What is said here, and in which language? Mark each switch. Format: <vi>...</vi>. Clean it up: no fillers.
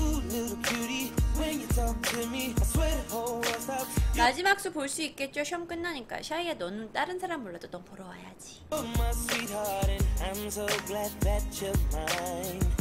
<en>Ooh, little cutie, when you talk to me, I swear the whole world stops.</en> <ko>마지막 수 볼 수 있겠죠? 시험 끝나니까. 샤이야, 너는 다른 사람 몰라도 넌 보러 와야지.</ko> <en>You're my sweetheart and I'm so glad that you're mine.</en>